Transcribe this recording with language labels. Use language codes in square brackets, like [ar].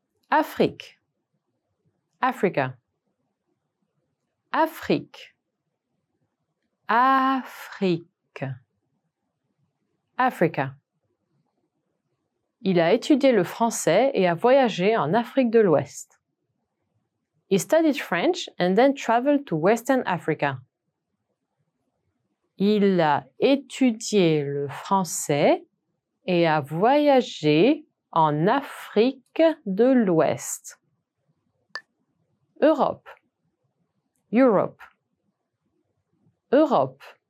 [fr] Afrique. Africa. Afrique. Afrique. Africa. Il a étudié le français et a voyagé en Afrique de l'Ouest. [en] He studied French and then traveled to Western Africa. [fr] Il a étudié le français et a voyagé en Afrique de l'Ouest. Europe. Europe. Europe.